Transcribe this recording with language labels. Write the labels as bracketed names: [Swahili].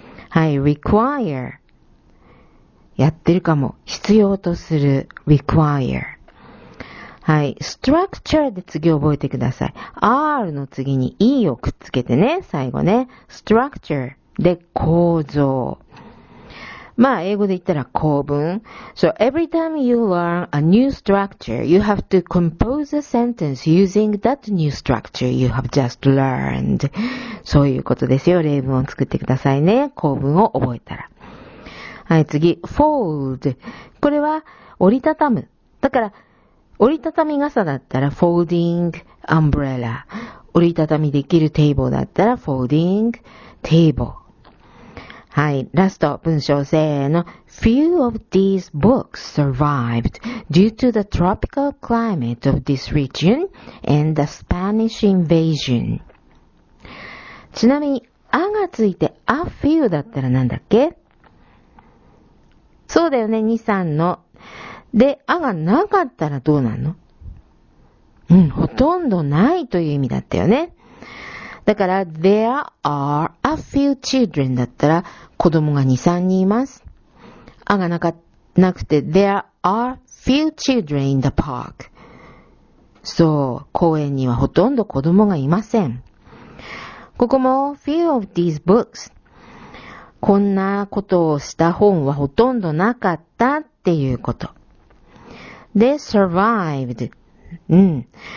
[Japanese] はい、require。やってるかも。必要とする、require。はい、structure で次覚えてください。 R の次に E をくっつけてね、最後ね。 structure で構造。まあ、英語で言ったら構文。 [English] So, every time you learn a new structure, you have to compose a sentence using that new structure you have just learned. [Japanese] そういうことですよ。例文を作ってくださいね。構文を覚えたら。はい、次。fold。これは折りたたむ。だから、折りたたみ傘だったら folding umbrella。折りたたみできるテーブルだったら folding table。はい、ラスト、文章、せーの。 [English] Few of these books survived due to the tropical climate of this region and the Spanish invasion. [Japanese] ちなみに、あがついて、a few だったらなんだっけ? そうだよね、2、3の。で、あがなかったらどうなの? うん、ほとんどないという意味だったよね。だから、 [English] there are a few children [Japanese] だったら、子供が2、3人います。あがなくて、 [English] there are few children in the park。 [Japanese] そう、公園にはほとんど子供がいません。ここも、 [English] few of these books。 [Japanese] こんなことをした本はほとんどなかったっていうこと。で、survived。うん。